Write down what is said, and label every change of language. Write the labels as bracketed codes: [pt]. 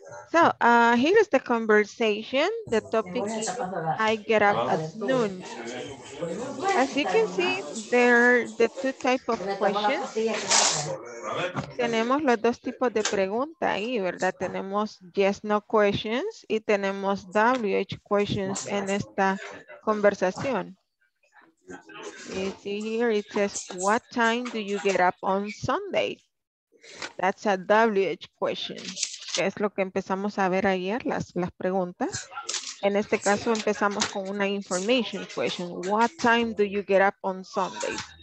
[en] So, here is the conversation, the topic, I get up at noon. As you can see, there are the two types of questions. [es] Tenemos los dos tipos de pregunta ahí, ¿verdad? Tenemos yes, no questions y tenemos WH questions en esta conversación. [en] You see here, it says, what time do you get up on Sunday? That's a WH question. [es] Es lo que empezamos a ver ayer, las preguntas. En este caso empezamos con una information question. [en] What time do you get up on Sunday?